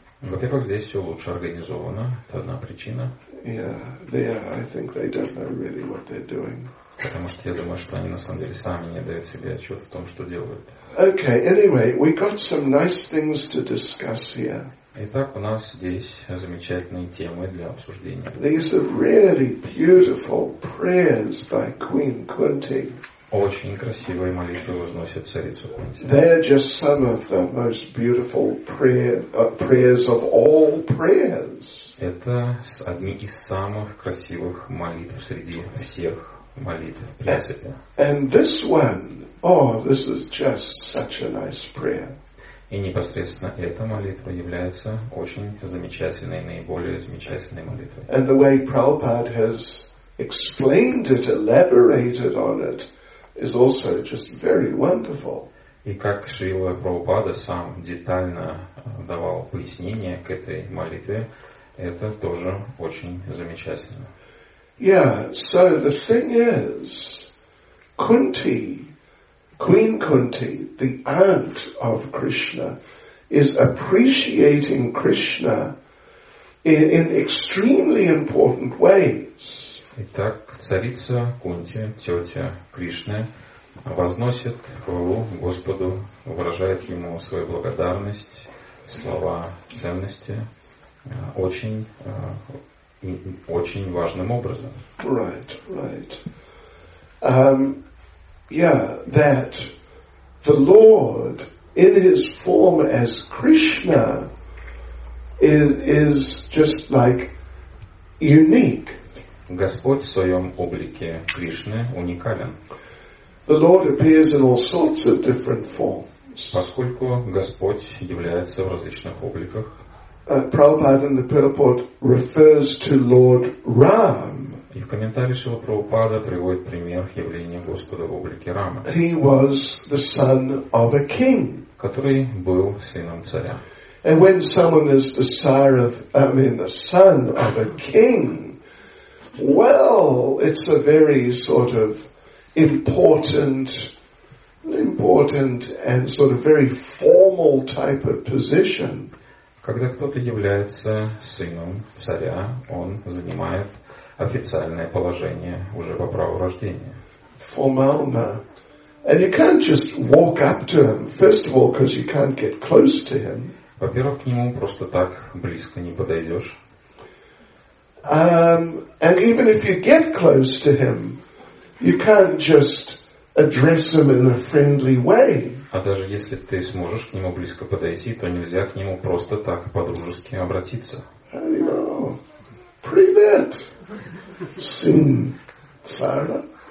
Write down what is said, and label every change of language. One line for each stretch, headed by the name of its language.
Russian: Во-первых, здесь все лучше организовано, это одна причина.
English: I think they don't know really what they're doing.
Russian: Потому что я думаю, что они на самом деле сами не дают себе отчет в том, что делают.
English: Okay, anyway, we got some nice things to discuss here.
Russian: Итак, у нас здесь замечательные темы для обсуждения.
English: These are really beautiful prayers by Queen Kunti.
Russian: Очень красивые молитвы возносит царица Кунти.
English: They're just some of the most beautiful prayers of all prayers.
Russian: Это одни из самых красивых молитв среди всех. Молитва,
English: and this one, oh, this is just such a nice prayer.
Russian: И непосредственно эта молитва является очень замечательной, наиболее замечательной молитвой.
English: And the way Prabhupada has explained it, elaborated on it, is also just very wonderful.
Russian: И как Шрила Прабхупада сам детально давал пояснение к этой молитве, это тоже очень замечательно.
English: Yeah, so the thing is, Kunti, Queen Kunti, the aunt of Krishna, is appreciating Krishna in extremely important ways.
Russian: Итак, царица Кунти, тетя Кришны, возносит хвалу Господу, выражает ему свою благодарность, слова ценности очень важным образом.
English: Right, right. Yeah, that the Lord in his form as Krishna is just like unique.
Russian: Господь в своем облике Кришны уникален.
English: The Lord appears in all sorts of different forms.
Russian: Поскольку Господь является в различных обликах.
English: Prabhupada in the purport refers to Lord Ram.
Russian: И в комментарии Шрила Прабхупада приводит пример явления Господа в облике Рама.
English: He was the son of a king.
Russian: Который был сыном царя.
English: And when someone is the son of a king, well, it's a very sort of important and sort of very formal type of position.
Russian: Когда кто-то является сыном царя, он занимает официальное положение уже по праву рождения. Formalna.
English: And you can't just walk up to him, first of all, because you can't get close to him.
Russian: Во-первых, к нему просто так близко не подойдешь.
English: And even if you get close to him, you can't just address him in a friendly way.
Russian: А даже если ты сможешь к нему близко подойти, то нельзя к нему просто так по-дружески обратиться.
English: Hello.
Russian: Привет, сын царя.